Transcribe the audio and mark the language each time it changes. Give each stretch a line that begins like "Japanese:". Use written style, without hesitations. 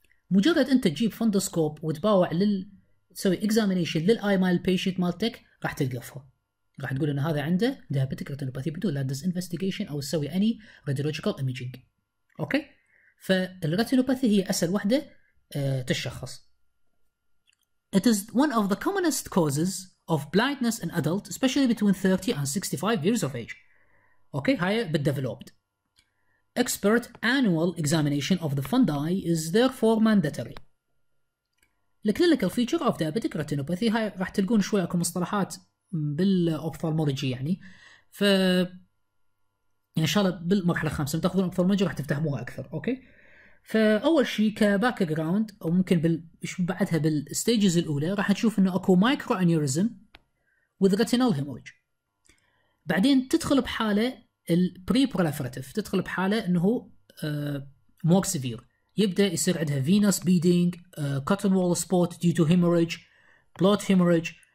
Arabic: مجرد انت تجيب فندوسكوب وتباوع تسوي اكزامينيشن للاي مال البيشنت مالتك راح تلقفها، راح تقول ان هذا عنده
English: diabetic retinopathy
Arabic: بدون لا
English: دز انفستيجيشن
Arabic: او تسوي
English: Any radiological imaging.
Arabic: اوكي، فالريتينوباثي هي اسهل وحده تشخص.
English: It is one of the commonest causes of blindness in adults especially between 30 and 65 years of age.
Arabic: اوكي، هاي بالديفلوبد.
English: Expert annual examination of the fundi is therefore mandatory. الكلينيكال feature of diabetic retinopathy,
Arabic: هاي راح تلقون شويه اكو مصطلحات بالأوبثالمولوجي، يعني ف يعني ان شاء الله بالمرحله الخامسه بتاخذون أوبثالمولوجي راح تفتهموها اكثر. اوكي، فاول شيء كباك جراوند وممكن ايش بعدها بالستيجز الاولى راح تشوف انه اكو
English: microaneurysm with retinal haemorrhage,
Arabic: بعدين تدخل بحاله
English: البري بروليفراتيف،
Arabic: تدخل بحاله انه
English: more severe,
Arabic: يبدا يصير عندها
English: Venous beading, cotton wool spot due to haemorrhage, blot haemorrhage.